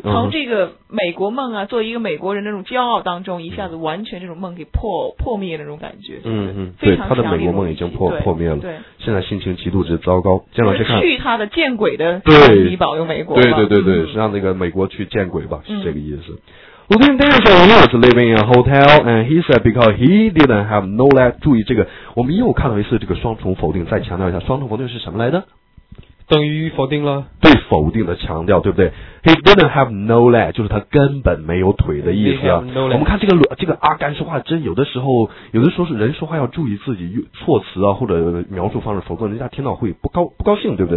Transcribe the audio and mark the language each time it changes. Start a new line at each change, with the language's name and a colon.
Chinese: 从这个美国梦啊，作为一个美国人那种骄傲当中，一下子完全这种梦给破灭的那种感觉，嗯嗯，对，他的美国梦已经破灭了，对，现在心情极度之糟糕。去他的见鬼的，对，你保佑美国，对对对对，是让那个美国去见鬼吧，是这个意思。
English: Lieutenant Dan said he was living in a hotel, and he said because he didn't have no leg.
Chinese: 注意这个，我们又看到一次这个双重否定，再强调一下，双重否定是什么来的？等于否定了，对，否定的强调，对不对？
English: He didn't have no leg，
Chinese: 就是他根本没有腿的意思啊。我们看这个阿甘说话，真有的时候，有的时候是人说话要注意自己措辞啊，或者描述方式，否则人家听到会不高兴，对不对？